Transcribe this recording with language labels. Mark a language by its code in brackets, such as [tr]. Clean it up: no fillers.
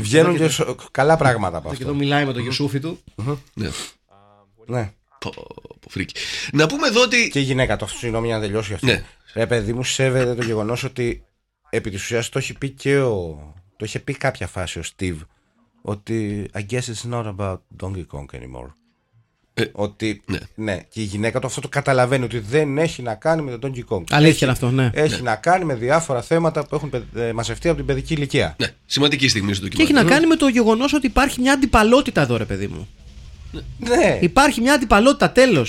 [el] Βγαίνουν και καλά πράγματα από αυτό. Και το μιλάει με το γιουσούφι του. Ναι. Ναι. Πω, φρίκι. Να πούμε εδώ ότι. Και η γυναίκα του, συγγνώμη για να τελειώσει αυτό. Ναι. Ρε παιδί μου, σέβεται το γεγονός ότι επί της ουσίας το έχει πει και ο. Το είχε πει κάποια φάση ο Steve. Ότι. [en] I guess it's not about Donkey Kong anymore. [el] Ότι ναι, και η γυναίκα του αυτό το καταλαβαίνει ότι δεν έχει να κάνει με τον Donkey Kong. Αλήθεια αυτό, ναι. Έχει να κάνει με διάφορα θέματα που έχουν μαζευτεί από την παιδική ηλικία. Ναι, σημαντική στιγμή στο κοινό. Και έχει να κάνει με το γεγονός ότι υπάρχει μια αντιπαλότητα εδώ, ρε παιδί μου. Ναι. Υπάρχει μια αντιπαλότητα, τέλος.